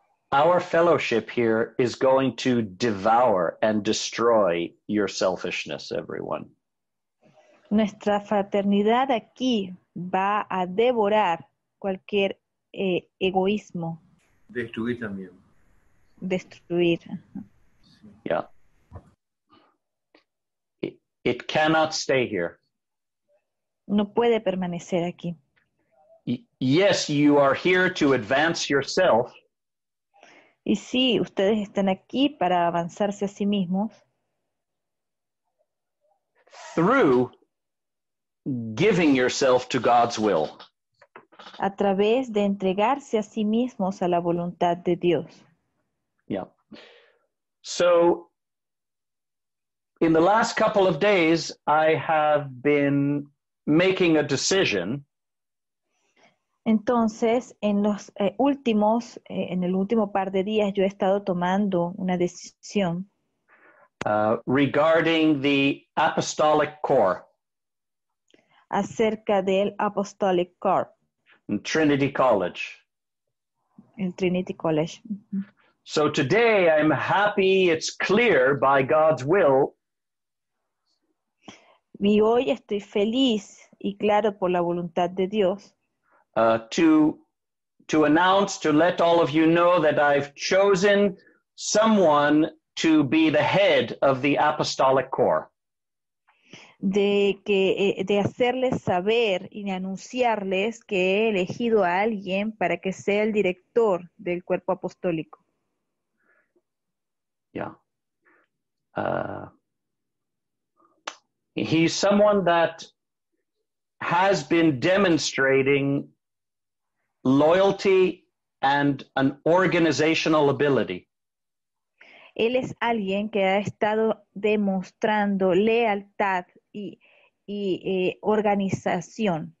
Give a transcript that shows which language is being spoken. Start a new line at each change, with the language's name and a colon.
English: Our fellowship here is going to devour and destroy your selfishness, everyone.
Spanish: Nuestra fraternidad aquí va a devorar cualquier egoísmo. Destruir también. Destruir.
English: Yeah. It cannot stay here.
Spanish: No puede permanecer aquí.
English: Yes, you are here to advance yourself.
Spanish: Y sí, ustedes están aquí para avanzarse a sí mismos.
English: Through giving yourself to God's will.
Spanish: A través de entregarse a sí mismos a la voluntad de Dios.
English: Yeah. So, in the last couple of days, I have been making a decision.
Spanish: Entonces, en los últimos, en el último par de días, yo he estado tomando una decisión.
English: Regarding the apostolic core.
Spanish: Acerca del Apostolic Corps.
English: Trinity College.
Spanish: El Trinity College.
English: So today I'm happy it's clear by God's will.
Spanish: Y hoy estoy feliz y claro por la voluntad de Dios.
English: To announce, to let all of you know that I've chosen someone to be the head of the Apostolic Corps.
Spanish: de hacerles saber y de anunciarles que he elegido a alguien para que sea el director del cuerpo apostólico.
English: Yeah. He's someone that has been demonstrating loyalty and an organizational ability.
Spanish: Él es alguien que ha estado demostrando lealtad y organización.